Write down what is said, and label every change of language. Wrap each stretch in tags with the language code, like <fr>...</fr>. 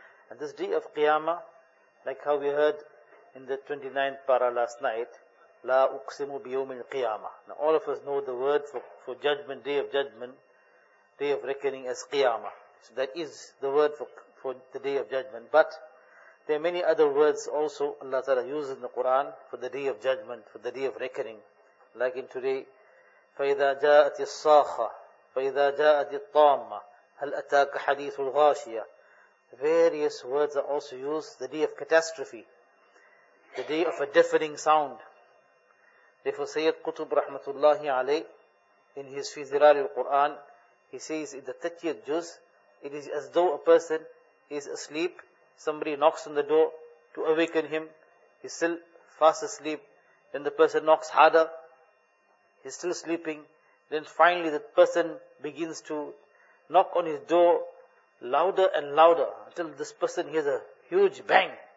<en>And this day of Qiyamah, like how we heard in the 29th para last night, La uqsimu biyawmil Qiyamah. Now all of us know the word for judgment, day of judgment, day of reckoning as Qiyamah. So that is the word for the day of judgment. But there are many other words also Allah Ta'ala uses in the Quran for the day of judgment, for the day of reckoning. Like in today,</en> <ar>فَإِذَا جَاءَتِ الصَّاخَةِ فَإِذَا جَاءَتِ الطَّامَّةِ هَلْ أَتَاكَ حَدِيثُ الْغَاشِيَةِ.</ar> <en>Various words are also used. The day of catastrophe, the day of a deafening sound. Therefore Sayyid Qutb Rahmatullahi Alayh, in his Fizilal al-Quran, he says in the 30th juz, it is as though a person is asleep, somebody knocks on the door to awaken him, he's still fast asleep, then the person knocks harder, he's still sleeping, then finally the person begins to knock on his door louder and louder, until this person hears a huge bang.</en>